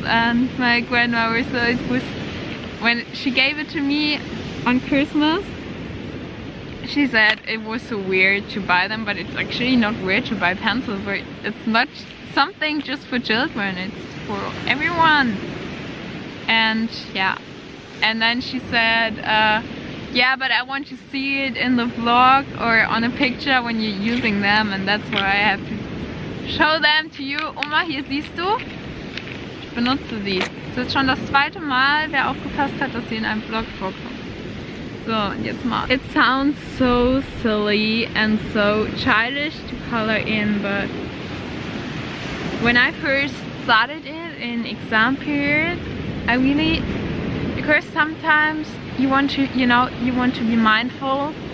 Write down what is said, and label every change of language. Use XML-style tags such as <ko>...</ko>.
<en>And my grandma was like, when she gave it to me on Christmas, she said it was so weird to buy them, but it's actually not weird to buy pencils, but it's not something just for children, it's for everyone. And yeah, and then she said, yeah, but I want to see it in the vlog or on a picture when you're using them, and that's why I have to show them to you.</en> <de>Oma, hier siehst du, ich benutze sie. Es ist schon das zweite Mal, wer aufgepasst hat, dass sie in einem Vlog vorkommt. So, jetzt mal.</de> <en>It sounds so silly and so childish to color in, but when I first started it in exam period, I really, because sometimes you want to, you know, you want to be mindful,</en>